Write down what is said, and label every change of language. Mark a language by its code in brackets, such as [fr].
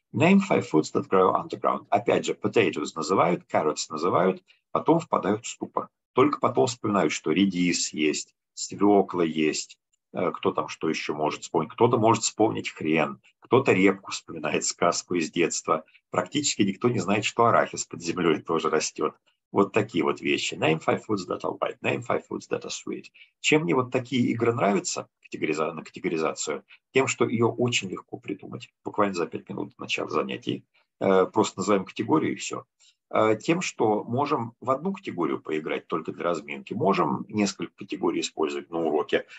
[en] Name five foods that grow underground. [ru] Опять же, [en] potatoes [ru] называют, [en] carrots [ru] называют, потом впадают в ступор. Только потом вспоминают, что редис есть, свекла есть, кто там что еще может вспомнить. Кто-то может вспомнить хрен, кто-то репку вспоминает, сказку из детства. Практически никто не знает, что арахис под землей тоже растет. Вот такие вот вещи. [en] Name five foods that are white, name five foods that are sweet. [ru] Чем мне вот такие игры нравятся на категоризацию? Тем, что ее очень легко придумать. Буквально за 5 минут до начала занятий. Просто называем категорию и все. Тем, что можем в одну категорию поиграть только для разминки, можем несколько категорий использовать на уроке.